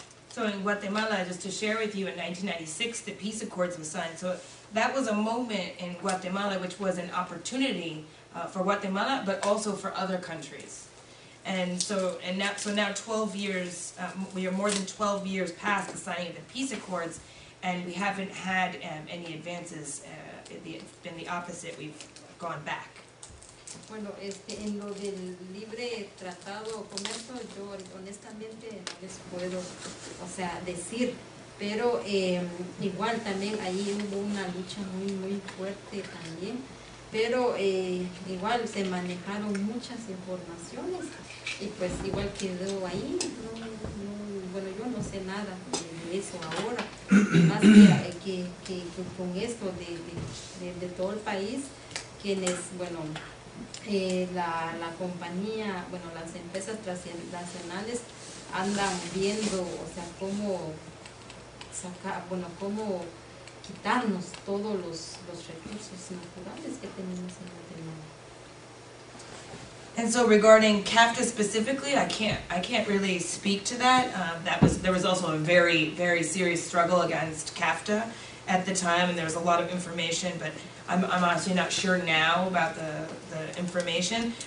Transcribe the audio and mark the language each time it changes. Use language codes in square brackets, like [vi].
[en] So in Guatemala, just to share with you, in 1996, the peace accords were signed. So that was a moment in Guatemala which was an opportunity for Guatemala, but also for other countries. And now 12 years, we are more than 12 years past the signing of the peace accords, and we haven't had any advances. It's been the opposite. We've gone back. [es] Bueno, en lo del libre tratado o comercio, yo honestamente no les puedo, o sea, decir, pero igual también ahí hubo una lucha muy, muy fuerte también, pero igual se manejaron muchas informaciones y pues igual quedó ahí, no, yo no sé nada de eso ahora, más que con esto de todo el país, quienes, bueno, la compañía, bueno, las empresas transnacionales andan viendo, o sea, cómo sacar, bueno, cómo quitarnos todos los recursos naturales que tenemos en Guatemala. [en] And so regarding CAFTA specifically, I can't really speak to that. There was also a very, very serious struggle against CAFTA at the time, and there was a lot of information, but I'm honestly not sure now about the information.